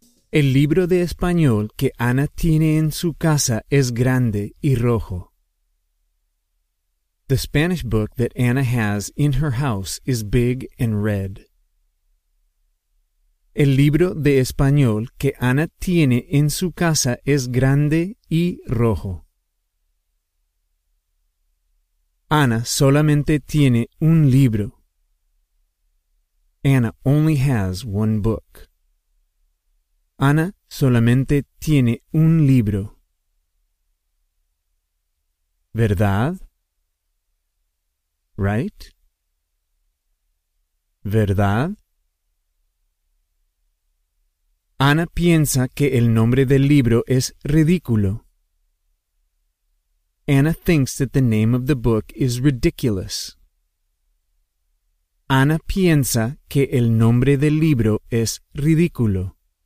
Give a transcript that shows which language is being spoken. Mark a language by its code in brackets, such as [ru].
[es] El libro de español que Ana tiene en su casa es grande y rojo. [en] The Spanish book that Ana has in her house is big and red. [es] El libro de español que Ana tiene en su casa es grande y rojo. Ana solamente tiene un libro. [en] Ana only has one book. [es] Ana solamente tiene un libro. ¿Verdad? Right? ¿Verdad? Ana piensa que el nombre del libro es ridículo. [en] Ana thinks that the name of the book is ridiculous. [es] Ana piensa que el nombre del libro es ridículo.